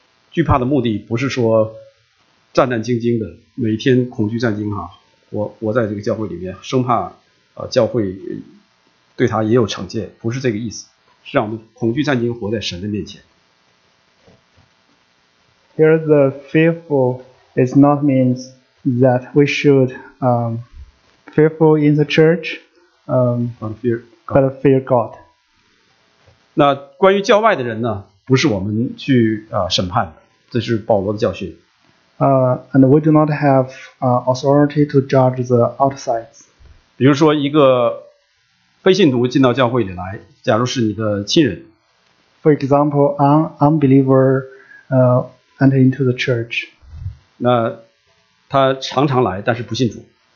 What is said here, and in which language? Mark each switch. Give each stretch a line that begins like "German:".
Chinese: 惧怕的目的不是说战战兢兢的，每天恐惧战兢我在这个教会里面，生怕教会对他也有惩戒，不是这个意思，是让我们恐惧战兢，活在神的面前。
English: Here the fearful is not means that we should fearful in the church, but fear God.
Chinese: 那关于教外的人呢，不是我们去审判的，这是保罗的教训。
English: And we do not have authority to judge the outsides.
Chinese: 比如说一个非信徒进到教会里来，假如是你的亲人。
English: For example, an unbeliever, and into the church.
Chinese: 那他常常来，但是不信主。